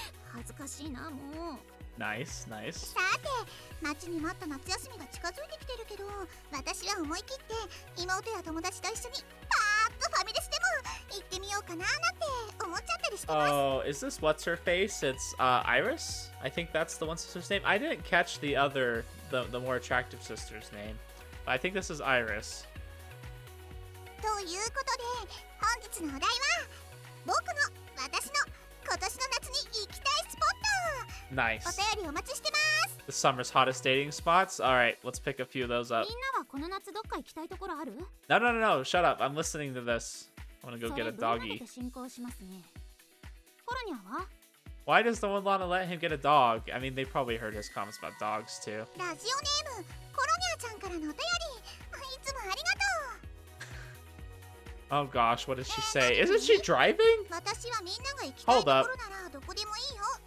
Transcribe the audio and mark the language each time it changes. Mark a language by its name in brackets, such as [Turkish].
[Japanese] 恥ずかしいな、もう。 [English] Nice, nice. [Japanese] さて、待ちに待った夏休みが近づいてきてるけど、私は思い切って妹や友達と一緒にパーッとファミレスでも行ってみようかななんて思っちゃったりしてます。 [English] Oh, is this what's her face? It's Iris. I think that's the one sister's name. I didn't catch the other, the more attractive sister's name. But I think this is Iris. [Japanese] ということで、本日のお題は僕の私の今年の夏に行きたいスポット。 [English] Nice. [Japanese] お便りお待ちしてます。 [English] The summer's hottest dating spots. All right, let's pick a few of those up. [Japanese] みんなはこの夏どっか行きたいところある？ [English] No. Shut up. I'm listening to this. I want to go get a doggy. [Japanese] それブルマで進行しますね。コロニアは？ [English] Why does the one Lana let him get a dog? I mean, they probably heard his comments about dogs too. [Japanese] ラジオネームコロニアちゃんからのお便り。いつもありがとう。 [English] Oh gosh, what did she say? Isn't she driving? [Japanese] 私はみんなが行きたいところならどこでもいいよ。